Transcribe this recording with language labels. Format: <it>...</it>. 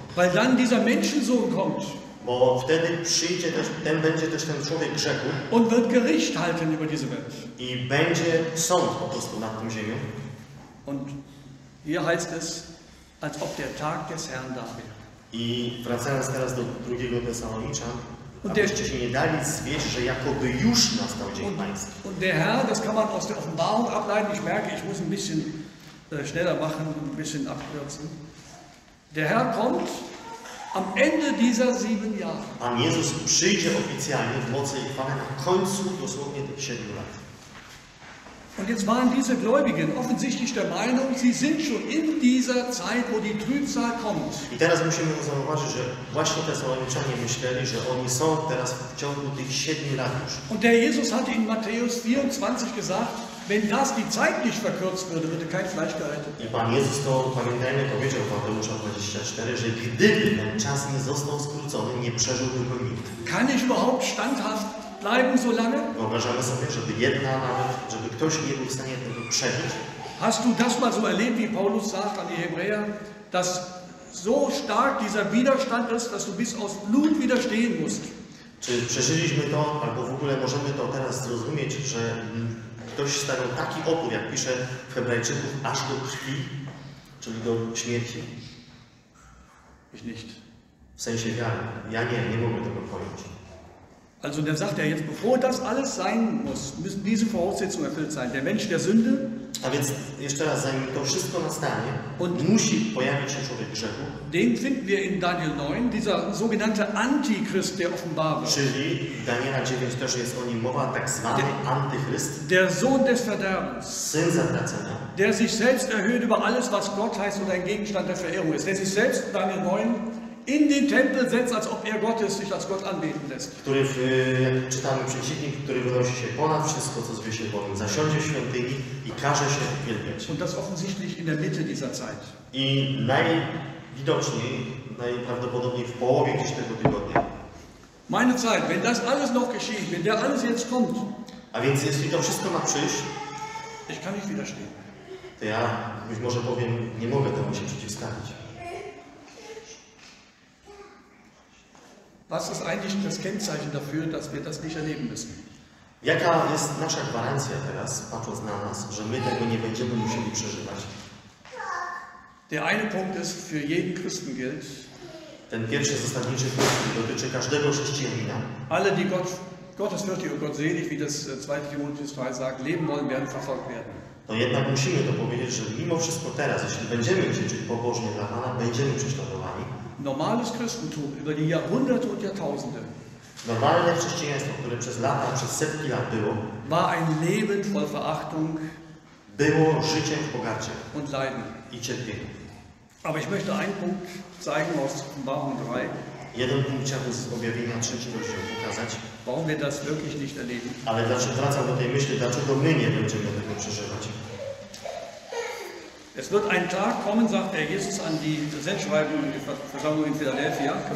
<de>Weil dann dieser Menschensohn kommt.</de> <pl>Bo wtedy przyjdzie też, ten będzie też ten człowiek grzechu.</pl> <de>Und wird Gericht halten über diese Welt.</de> <pl>I będzie sąd po prostu nad tą ziemią.</pl> <de>Und hier heißt es, als ob der Tag des Herrn da wäre.</de> <pl>I wracając teraz do 2 Tesalonicza, abyście się nie dali zwieść, że jakoby już nastał dzień Pański.</pl> <de>Und der Herr, das kann man aus der Offenbarung ableiten, ich merke, ich muss ein bisschen schneller machen, ein bisschen abkürzen. Der Herr kommt am Ende dieser 7 Jahre.</de> <pl>Pan Jezus przyjdzie oficjalnie w mocy i chwale na końcu dosłownie tych 7 lat.</pl> <de>Und jetzt waren diese Gläubigen offensichtlich der Meinung, sie sind schon in dieser Zeit, wo die Trübsal kommt.</de> <pl>I teraz musimy zauważyć, że właśnie te Tesaloniczanie myśleli, że oni są teraz w ciągu tych 7 lat już.</pl> <de>Und der Jesus hatte in Matthäus 24 gesagt, wenn das die Zeit nicht verkürzt würde, würde kein Fleisch gehalten.</de> <pl>I Pan Jezus to, pamiętajmy, powiedział w Mateusza 24, że gdyby ten czas nie został skrócony, nie przeżyłby go nikt.</pl> <de>Kann ich überhaupt standhaft bleiben so lange?</de> <pl>Wyobrażamy sobie, żeby żeby ktoś nie był w stanie tego przeżyć.</pl> <de>Hast du das mal so erlebt, wie Paulus sagt an die Hebräer, dass so stark dieser Widerstand ist, dass du bis aus Blut widerstehen musst?</de> <pl>Czy przeżyliśmy to, albo w ogóle możemy to teraz zrozumieć, że ktoś stawiał taki opór, jak pisze w Hebrajczyków, aż do krwi, czyli do śmierci.</pl> <de>Ich nicht.</de> <pl>W sensie wiary. Ja nie mogę tego pojąć.</pl> <de>Also der sagt ja jetzt, bevor das alles sein muss, müssen diese Voraussetzungen erfüllt sein. Der Mensch der Sünde.</de> <pl>A więc jeszcze raz, zanim to wszystko nastanie, und musi pojawić się człowiek grzechu.</pl> <de>Den finden wir in Daniel 9, dieser sogenannte Antichrist, der offenbar wird.</de> <pl>Czyli Daniela 9 też jest o nim mowa, tak zwany Antichrist.</pl> <de>Der Sohn des Verderbens.</de> <pl>Syn zatracenia.</pl> <de>Der sich selbst erhöht über alles, was Gott heißt oder ein Gegenstand der Verehrung ist. Der sich selbst, Daniel 9, in den Tempel setzt, als ob er Gott ist, sich als Gott anbeten lässt.</de> <pl>Który, jak czytamy przeciwnik, który wynosi się ponad wszystko, co zwie się Bogiem, zasiądzie w świątyni i każe się wielbiać.</pl> <de>Und das offensichtlich in der Mitte dieser Zeit.</de> <pl>I najwidoczniej, najprawdopodobniej w połowie gdzieś tego tygodnia.</pl> <de>Meine Zeit, wenn das alles noch geschieht, wenn der alles jetzt kommt,</de> <pl>A więc jeśli to wszystko ma przyjść,</pl> <de>ich kann nicht widerstehen.</de> <pl>To ja być może powiem, nie mogę temu się przeciwstawić.</pl> <de>Was ist eigentlich das Kennzeichen dafür, dass wir das nicht erleben müssen?</de> <pl>Jaka jest nasza gwarancja teraz, patrząc na nas, że my tego nie będziemy musieli przeżywać?</pl> <de>Der eine Punkt ist, für jeden Christen gilt.</de> <pl>Ten pierwszy zasadniczy punkt dotyczy każdego chrześcijanina.</pl> <de>Alle, die Gottesfürchtig und gottselig, wie das 2. Timotheus 2 sagt, leben wollen, werden verfolgt werden.</de> <pl>To jednak musimy to powiedzieć, że mimo wszystko teraz, jeśli będziemy dziedziczyć pobożnie dla Pana, będziemy prześladowani.</pl> <de>Normales Christentum über die Jahrhunderte und Jahrtausende.</de> <pl>Normalne chrześcijaństwo, które przez lata, przez setki lat było,</pl> <de>war ein Leben voll Verachtung,</de> <pl>było życiem w pogardzie</pl> <de>und Leiden.</de> <pl>I cierpieniu.</pl> <de>Aber ich möchte einen Punkt zeigen aus Offenbarung 3.</de> <pl>Jeden punkt chciałbym z objawienia trzeciego się pokazać.</pl> <de>Warum wir das wirklich nicht erleben?</de> <pl>Ale dlaczego wracam do tej myśli, dlaczego my nie będziemy tego przeżywać?</pl> <de>Es wird ein Tag kommen, sagt der Jesus an die Gesetzschreiber und die Versammlung in Philadelphia.</de>